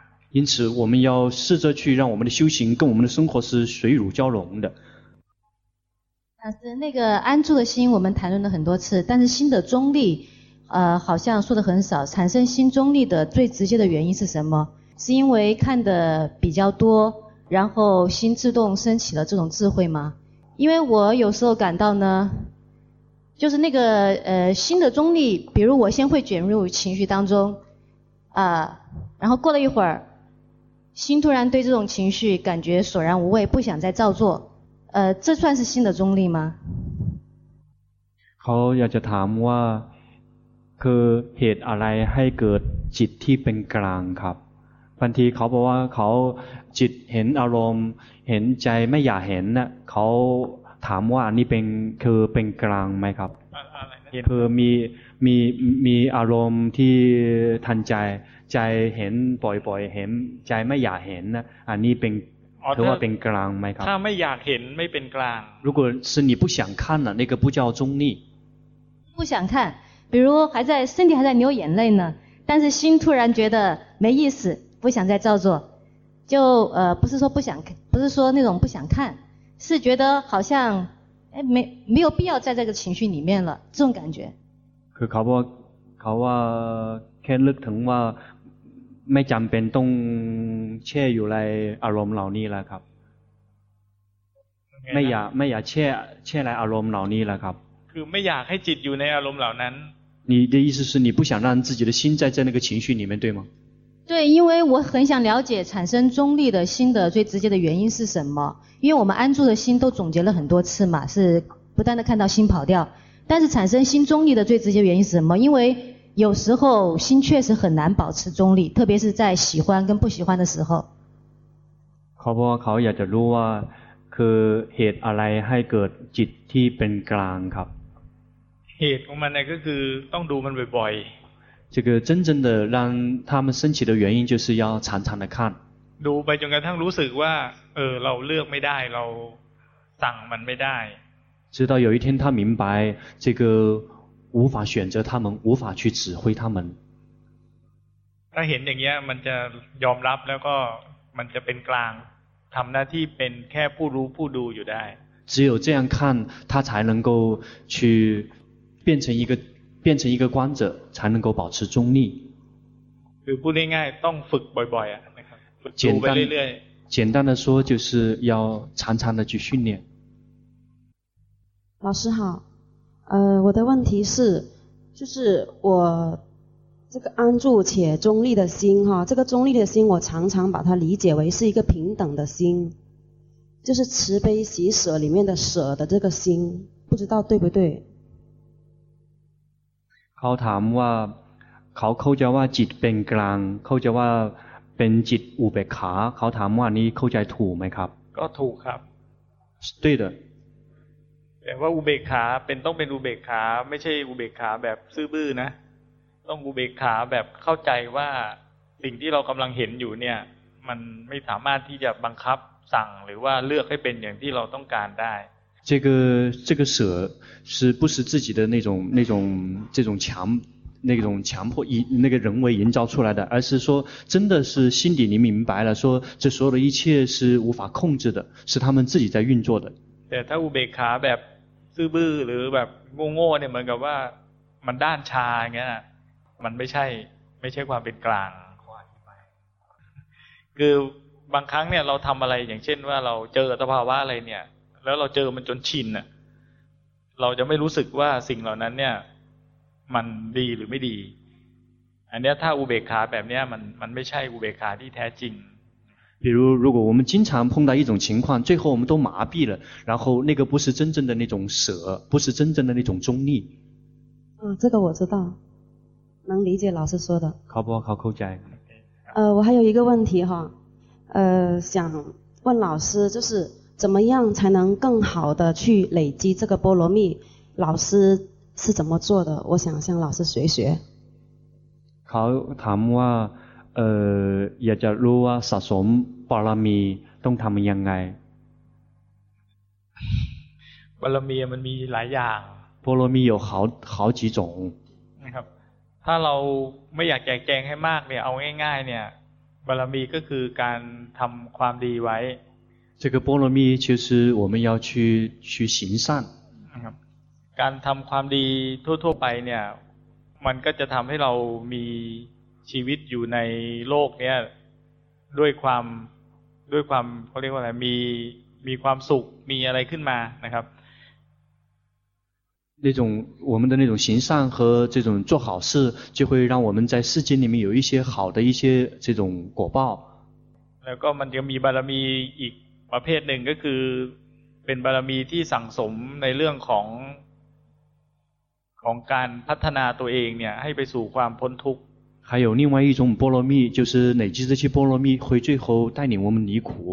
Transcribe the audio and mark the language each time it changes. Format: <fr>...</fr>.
<zh>因此我们要试着去让我们的修行跟我们的生活是水乳交融的老师那个安住的心我们谈论了很多次但是心的中立好像说的很少产生心中立的最直接的原因是什么是因为看的比较多然后心自动升起了这种智慧吗因为我有时候感到呢就是那个心的中立比如我先会卷入情绪当中然后过了一会儿心突然对这种情绪感觉索然无味，不想再造作，这算是心的中立吗？</zh> <th>เขาอยากจะถามว่าคือเหตุอะไรให้เกิดจิตที่เป็นกลางครับบางทีเขาบอกว่าเขาจิตเห็นอารมณ์เห็นใจไม่อยากเห็นน่ะเขาถามว่าอันนี้เป็นคือเป็นกลางไหมครับคือมีอารมณ์ที่ทันใจเห็นปล่อยเห็นใจไม่อยากเห็นน่ะอันนี้เป็นถือว่าเป็นกลางไหมครับ ถ้าไม่อยากเห็นไม่เป็นกลาง</th> <zh>如果是你不想看了那个不叫中立不想看比如还在身体还在流眼泪呢但是心突然觉得没意思不想再照做就不是说不想不是说那种不想看是觉得好像没有必要在这个情绪里面了这种感觉</zh> <th>คือเขาว่าแค่ลึกถึงว่าไม่จำเป็นต้องแช่อยู่ในอารมณ์เหล่านี้แล้วครับ</th> <en>okay.</en> <th>ไม่อยากแช่ในอารมณ์เหล่านี้แล้วครับ คือไม่อยากให้จิตอยู่ในอารมณ์เหล่านั้น</th> <zh>你的意思是你不想让自己的心在那个情绪里面对吗对因为我很想了解产生中立的心的最直接的原因是什么因为我们安住的心都总结了很多次嘛是不断的看到心跑掉但是产生心中立的最直接原因是什么因为有时候心确实很难保持中立特别是在喜欢跟不喜欢的时候</zh> <th>เขาบอกว่าเขาอยากจะรู้ว่าคือเหตุอะไรให้เกิดจิตที่เป็นกลางครับ เหตุของมันเนี่ยก็คือต้องดูมันบ่อย</th> <zh>ๆ这个真正的让他们升起的原因就是要常常的看</zh> <th>ดูไปจนกระทั่งรู้สึกว่าเราเลือกไม่ได้เราสั่งมันไม่ได้</th> <zh>直到有一天他明白这个无法选择他们无法去指挥他们</zh> <th>ถ้าเห็นอย่างเงี้ยมันจะยอมรับแล้วก็มันจะเป็นกลางทําหน้าที่เป็นแค่ผู้รู้ผู้ดูอยู่ได้</th> <zh>只有这样看他才能够去变成一个观者才能够保持中立</zh> <th>คือพูดง่ายๆต้องฝึกบ่อยๆอ่ะนะครับฝึกดูไปเรื่อย</th> <zh>ๆ简单的说就是要常常的去训练老师好我的问题是就是我这个安住且中立的心哈这个中立的心我常常把它理解为是一个平等的心就是慈悲喜舍里面的舍的这个心不知道对不对</zh> <th>เขาถามว่าเขาเข้าใจว่าจิตเป็นกลางเข้าใจว่าเป็นจิตอุเบกขาเขาถามว่านี้เข้าใจถูกไหมครับ ก็ถูกครับ</th> <zh>对的</zh> <th>แต่ว่าอุเบกขาเป็นต้องเป็นอุเบกขาไม่ใช่อุเบกขาแบบซื่อบื้อนะต้องอุเบกขาแบบเข้าใจว่าสิ่งที่เรากำลังเห็นอยู่เนี่ยมันไม่สามารถที่จะบังคับสั่งหรือว่าเลือกให้เป็นอย่างที่เราต้องการได้</th> <zh>这个舍是不是自己的那种这种强那种强迫那个人为营造出来的而是说真的是心底你明白了说这所有的一切是无法控制的是他们自己在运作的</zh> <th>แต่ถ้าอุเบกขาแบบซื่อบื้อหรือแบบโง่ๆเนี่ยเหมือนกับว่ามันด้านชาเงี้ยมันไม่ใช่ความเป็นกลางความที่ไปคือบางครั้งเนี่ยเราทำอะไรอย่างเช่นว่าเราเจอสภาวะอะไรเนี่ยแล้วเราเจอมันจนชินอะเราจะไม่รู้สึกว่าสิ่งเหล่านั้นเนี่ยมันดีหรือไม่ดีอันเนี้ยถ้าอุเบกขาแบบเนี้ยมันไม่ใช่อุเบกขาที่แท้จริง</th> <zh>比如如果我们经常碰到一种情况最后我们都麻痹了然后那个不是真正的那种舍不是真正的那种中立这个我知道能理解老师说的考不好考扣债我还有一个问题哈想问老师就是怎么样才能更好的去累积这个波罗蜜老师是怎么做的我想向老师学学考他们啊</zh> <th>อยากจะรู้ว่าสะสมบารมีต้องทำยังไง บารมีมันมีหลายอย่าง</th> <zh>บารมี有好几种</zh> <th>นะครับถ้าเราไม่อยากแก่แกงให้มากเนี่ยเอาง่ายๆเนี่ยบารมีก็คือการทำความดีไว้</th> <zh>这个波罗蜜其实我们要去行善</zh> <th>นะครับการทำความดีทั่วไปเนี่ยมันก็จะทำให้เรามีชีวิตอยู่ในโลกเนี้ยด้วยความเขาเรียกว่าอะไรมีความสุขมีอะไรขึ้นมานะครับ</th> <zh>那种我们的那种行善和这种做好事就会让我们在世间里面有一些好的一些这种果报</zh> <th>แล้วก็มันจะมีบารมีอีกประเภทหนึ่งก็คือเป็นบารมีที่สั่งสมในเรื่องของการพัฒนาตัวเองเนี่ยให้ไปสู่ความพ้นทุกข์</th> <zh>还有另外一种波罗蜜就是累积这些波罗蜜会最后带领我们离苦</zh>